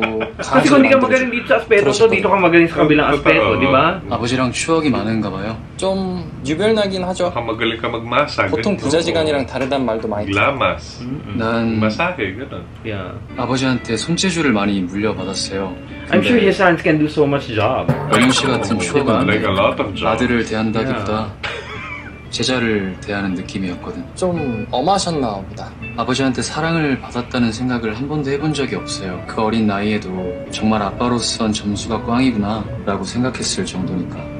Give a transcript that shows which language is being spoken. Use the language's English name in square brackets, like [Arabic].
[Korean] 강제로 만들어주고 니가 먹으려니 니가 먹으려니 니가 먹으려니 아버지랑 추억이 많은가 봐요. 좀 유별나긴 하죠. 보통 부자지간이랑 다르단 말도 많이 들어요. 난 마사게 아버지한테 손재주를 많이 물려받았어요. [English] I'm sure his hands can do so much job. [Korean] 원영 씨 같은 추억은 아들을 대한다기보다 제자를 대하는 느낌이었거든. 좀 엄하셨나 보다. 아버지한테 사랑을 받았다는 생각을 한 번도 해본 적이 없어요. 그 어린 나이에도 정말 아빠로선 점수가 꽝이구나 라고 생각했을 정도니까.